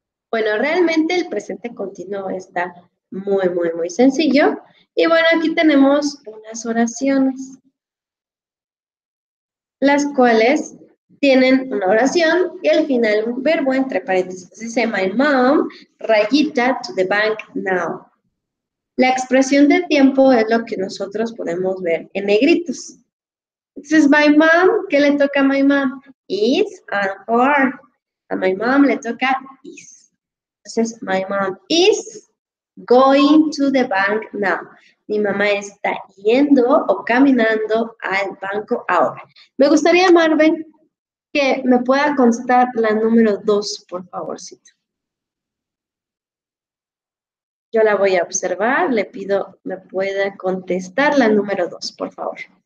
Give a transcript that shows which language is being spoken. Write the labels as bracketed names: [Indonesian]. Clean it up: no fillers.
[Spanish] Bueno, realmente el presente continuo está muy, muy, muy sencillo. Y bueno, aquí tenemos unas oraciones, las cuales tienen una oración y al final un verbo entre paréntesis. Dice, [English] my mom, [Spanish] rayita, [English] to the bank now. [Spanish] La expresión de tiempo es lo que nosotros podemos ver en negritos. Entonces, [English] my mom, [Spanish] ¿qué le toca a my mom? [English] Is and are. [Spanish] A my mom le toca is. [English] Entonces, my mom is going to the bank now. [Spanish] Mi mamá está yendo o caminando al banco ahora. Me gustaría, Marvin, que me pueda constar la número 2, por favorcito. Yo la voy a observar, le pido me pueda contestar la número 2, por favor.